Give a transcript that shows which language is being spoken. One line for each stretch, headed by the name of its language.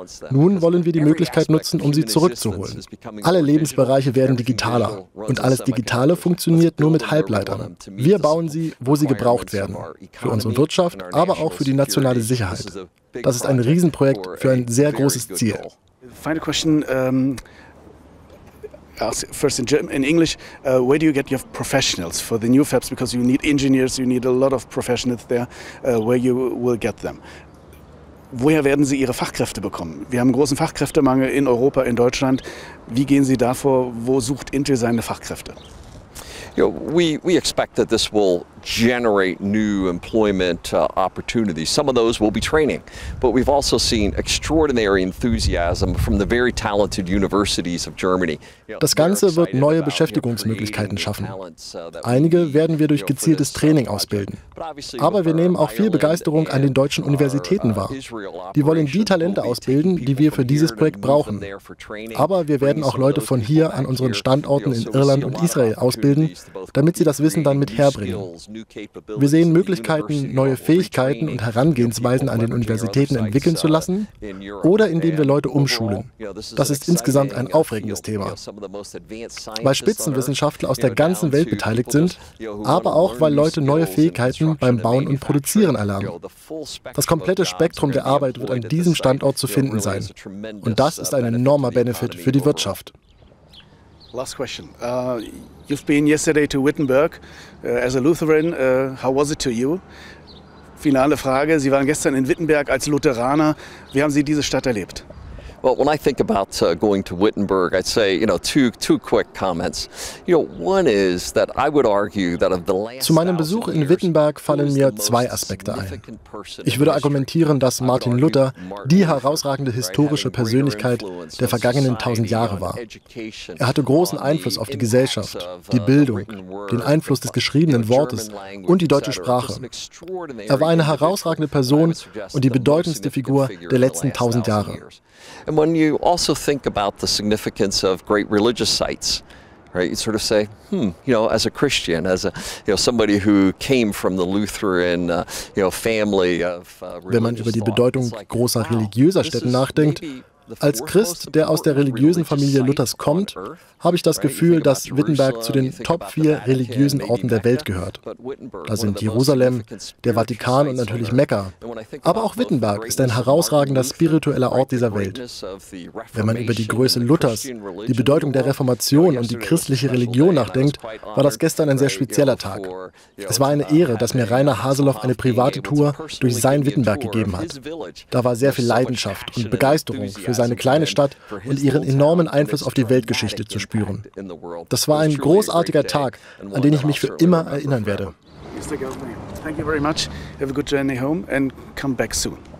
German: Nun wollen wir die Möglichkeit nutzen, um sie zurückzuholen. Alle Lebensbereiche werden digitaler. Und alles Digitale funktioniert nur mit Halbleitern. Wir bauen sie, wo sie gebraucht werden. Für unsere Wirtschaft, aber auch für die nationale Sicherheit. Das ist ein Riesenprojekt für ein sehr großes Ziel.
English: Final question. First in German, in English, where do you get your professionals for the new fabs? Because you need engineers, you need a lot of professionals there, where you will get them.
German: Woher werden Sie Ihre Fachkräfte bekommen? Wir haben großen Fachkräftemangel in Europa, in Deutschland. Wie gehen Sie davor? Wo sucht Intel seine Fachkräfte?
English: You know, we expect that this will generate new employment opportunities. Some of those will be training, but we've also seen extraordinary enthusiasm from the very talented universities of Germany.
German: Das Ganze wird neue Beschäftigungsmöglichkeiten schaffen. Einige werden wir durch gezieltes Training ausbilden. Aber wir nehmen auch viel Begeisterung an den deutschen Universitäten wahr. Die wollen die Talente ausbilden, die wir für dieses Projekt brauchen. Aber wir werden auch Leute von hier an unseren Standorten in Irland und Israel ausbilden, damit sie das Wissen dann mit herbringen. Wir sehen Möglichkeiten, neue Fähigkeiten und Herangehensweisen an den Universitäten entwickeln zu lassen oder indem wir Leute umschulen. Das ist insgesamt ein aufregendes Thema, weil Spitzenwissenschaftler aus der ganzen Welt beteiligt sind, aber auch, weil Leute neue Fähigkeiten beim Bauen und Produzieren erlernen. Das komplette Spektrum der Arbeit wird an diesem Standort zu finden sein. Und das ist ein enormer Benefit für die Wirtschaft.
English: Last question. You've been yesterday to Wittenberg as a Lutheran. How was it to you?
German: Finale Frage. Sie waren gestern in Wittenberg als Lutheraner. Wie haben Sie diese Stadt erlebt?
English: Well, when I think about going to Wittenberg, I'd say, you know, two quick comments. You know, one is that I would argue that of the last.
German: Zu meinem Besuch in Wittenberg fallen mir zwei Aspekte ein. Ich würde argumentieren, dass Martin Luther die herausragende historische Persönlichkeit der vergangenen 1000 Jahre war. Er hatte großen Einfluss auf die Gesellschaft, die Bildung, den Einfluss des geschriebenen Wortes und die deutsche Sprache. Er war eine herausragende Person und die bedeutendste Figur der letzten 1000 Jahre.
English: And when you also think about the significance of great religious sites, right, you sort of say, you know, as a Christian, as a, you know, somebody who came from the Lutheran, you know, family of religious.
German: Wenn man über die Bedeutung großer religiöser Städte nachdenkt, als Christ, der aus der religiösen Familie Luthers kommt, habe ich das Gefühl, dass Wittenberg zu den Top 4 religiösen Orten der Welt gehört. Da sind Jerusalem, der Vatikan und natürlich Mekka. Aber auch Wittenberg ist ein herausragender spiritueller Ort dieser Welt. Wenn man über die Größe Luthers, die Bedeutung der Reformation und die christliche Religion nachdenkt, war das gestern ein sehr spezieller Tag. Es war eine Ehre, dass mir Rainer Haseloff eine private Tour durch sein Wittenberg gegeben hat. Da war sehr viel Leidenschaft und Begeisterung für seine kleine Stadt und ihren enormen Einfluss auf die Weltgeschichte zu spüren. Das war ein großartiger Tag, an den ich mich für immer erinnern werde.
English: Thank you very much. Have a good journey home and come back soon.